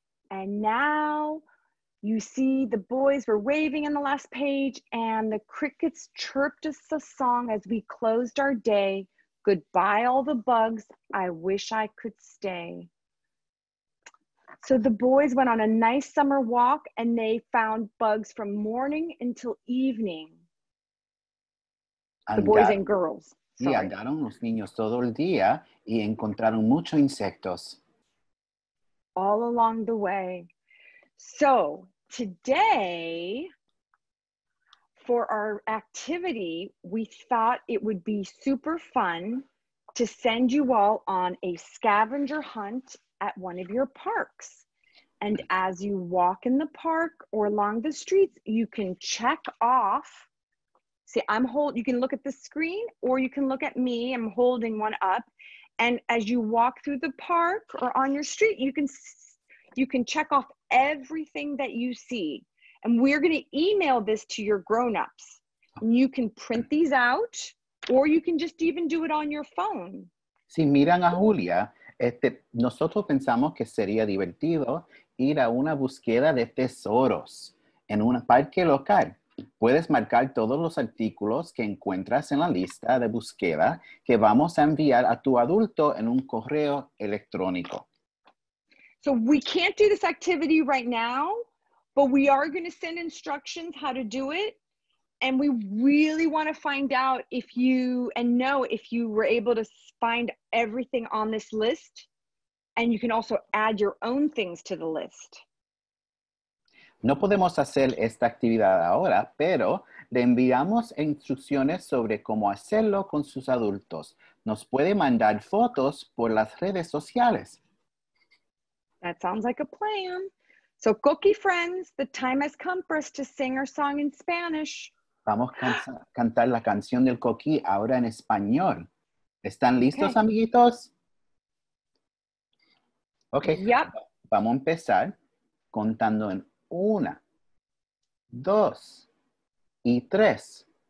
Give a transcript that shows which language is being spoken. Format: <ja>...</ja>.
<en>And now you see the boys were waving on the last page and the crickets chirped us a song as we closed our day. Goodbye, all the bugs. I wish I could stay. So the boys went on a nice summer walk and they found bugs from morning until evening. The boys and girls.</en> <es>Sí, andaron los niños todo el día y encontraron muchos insectos.</es> <en>All along the way. So, today, for our activity, we thought it would be super fun to send you all on a scavenger hunt at one of your parks. And as you walk in the park or along the streets, you can check off. See, you can look at the screen or you can look at me. I'm holding one up. And as you walk through the park or on your street, you can check off everything that you see. And we're going to email this to your grown-ups. And you can print these out or you can just even do it on your phone.</en> <es>Si miran a Julia, nosotros pensamos que sería divertido ir a una búsqueda de tesoros en un parque local. Puedes marcar todos los artículos que encuentras en la lista de búsqueda que vamos a enviar a tu adulto en un correo electrónico.</es> <en>So we can't do this activity right now, but we are going to send instructions how to do it. And we really want to find out if you were able to find everything on this list. And you can also add your own things to the list.</en> <es>No podemos hacer esta actividad ahora, pero le enviamos instrucciones sobre cómo hacerlo con sus adultos. Nos puede mandar fotos por las redes sociales.</es> <en>That sounds like a plan. So, Coqui friends, the time has come for us to sing our song in Spanish.</en> <es>Vamos a cantar la canción del Coqui ahora en español. ¿Están listos, okay, amiguitos?</es> <en>Ok. Yep.</en> <es>Vamos a empezar contando en una, dos y tres.</es>